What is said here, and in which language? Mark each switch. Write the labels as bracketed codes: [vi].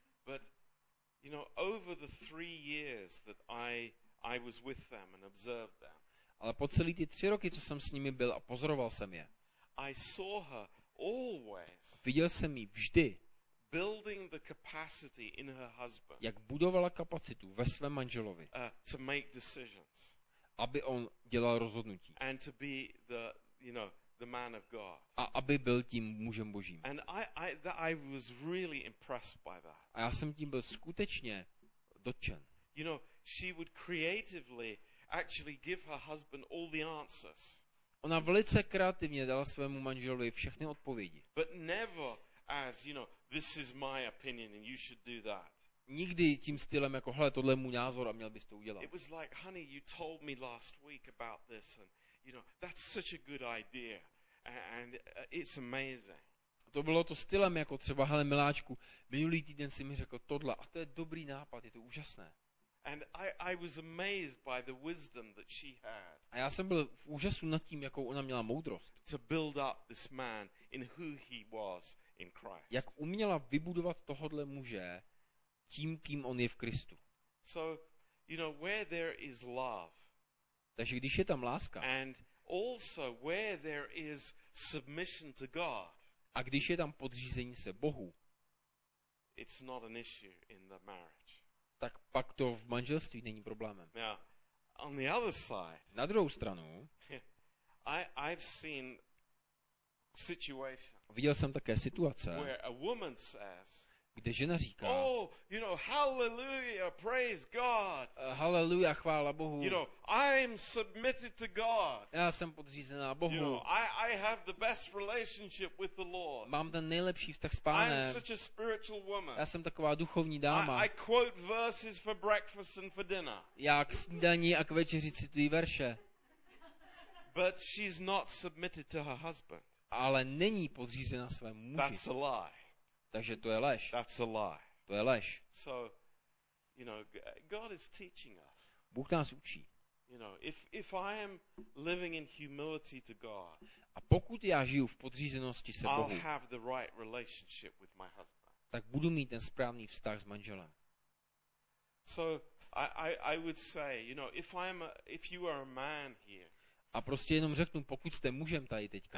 [en] But, you know, over the 3 years that I was with them and observed them. [cs] Ale po celý ty 3 roky, co jsem s nimi byl a pozoroval jsem je. [en] I saw her always. [cs] Viděl jsem ji vždy. [en] Building the capacity in her husband. [cs] Jak budovala kapacitu ve svém manželovi. [en] To make decisions. [cs] Aby on dělal rozhodnutí. [en] And to be the, you know, the man of God. [cs] A aby byl tím mužem Božím. [en] And I was really impressed by that. [cs] A já jsem tím byl skutečně dotčen. [en] You know, she would creatively actually give her husband all the answers. [cs] Ona velice kreativně dala svému manželovi všechny odpovědi. [en] But never as, you know, this is my opinion and you should do that. [cs] Nikdy tím stylem jako hele, tohle je můj názor a měl bys to udělat. [en] It was like, honey, you told me last week about this and you know, that's such a good idea, and it's amazing. [cs] To bylo to stylem jako třeba hele miláčku, minulý týden si mi řekl tohle, a to je dobrý nápad, je to úžasné. [en] And I was amazed by the wisdom that she had. [cs] A já jsem byl v úžasu nad tím, jakou ona měla moudrost. [en] To build up this man in who he was in Christ. [cs] Jak uměla vybudovat tohodle muže tím, kým on je v Kristu. [en] So, you know, where there is love. [cs] Takže když je tam láska. [en] And also where there is submission to God. [cs] A když je tam podřízení se Bohu. [en] it's not an issue in the marriage. [cs] Tak pak to v manželství není problémem. [en] Yeah. On the other side. [cs] Na druhou stranu. [en] I've seen situations. [cs] Viděl jsem také situace. [en] Where a woman says. [cs] Kde žena říká. [en] Oh, you know, hallelujah, praise God. [cs] Hallelujah, chvála Bohu. [en] You know, I'm submitted to God. [cs] Já jsem podřízená Bohu. [en] You know, I have the best relationship with the Lord. [cs] Mám ten nejlepší vztah s Pánem. [en] I'm such a spiritual woman. [cs] Já jsem taková duchovní dáma. [en] I quote verses for breakfast and for dinner. [cs] Já k snídani a k večeři cituji verše. [en] But she's not submitted to her husband. [cs] Ale není podřízená svému muži. [en] That's a lie. [cs] Takže to je lež. [en] That's a lie. [cs] To je lež. [en] So, you know, God is teaching us. [cs] Bůh nás učí. [en] You know, if I am living in humility to God. [cs] A pokud já žiju v podřízenosti se Bohu. [en] I'll have the right relationship with my husband. [cs] Tak budu mít ten správný vztah s manželem. [en] So, I would say, you know, if you are a man here. [cs] A prostě jenom řeknu, pokud jste mužem tady teďka.